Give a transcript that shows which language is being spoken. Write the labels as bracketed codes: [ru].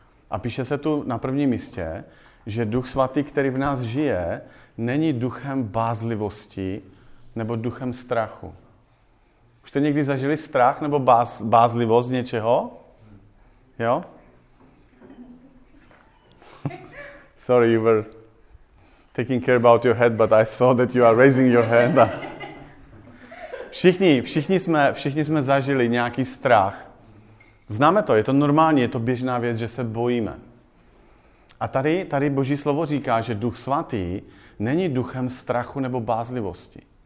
[cs] A píše se tu na prvním místě, že Duch Svatý, který v nás žije, není duchem bázlivosti nebo duchem strachu. Už jste někdy zažili strach nebo bázlivost něčeho? Jo? [en] Sorry, you were taking care about your head, but I saw that you are raising your hand. [cs] Všichni jsme zažili nějaký strach. Známe to, je to normální, je to běžná věc, že se bojíme. A tady Boží slovo říká, že Duch Svatý není duchem strachu nebo bázlivosti.